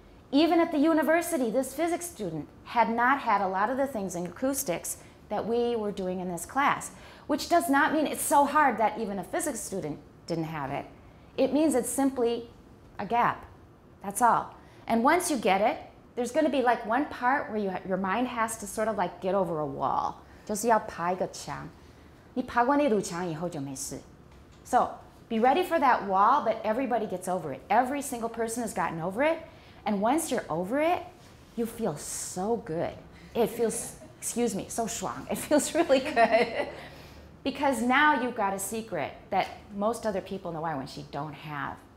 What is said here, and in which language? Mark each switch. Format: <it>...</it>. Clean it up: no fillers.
<en>Even at the university, this physics student had not had a lot of the things in acoustics that we were doing in this class. Which does not mean it's so hard that even a physics student didn't have it. It means it's simply a gap. That's all. And once you get it, there's going to be like one part where your mind has to sort of like get over a wall.</en> <zh>就是要爬一个墙。你爬过那堵墙以后就没事。</zh> <en>So be ready for that wall, but everybody gets over it. Every single person has gotten over it. And once you're over it, you feel so good. It feels, excuse me, so 爽.It feels really good. Because now you've got a secret that most other people in the Y when she don't have.</en>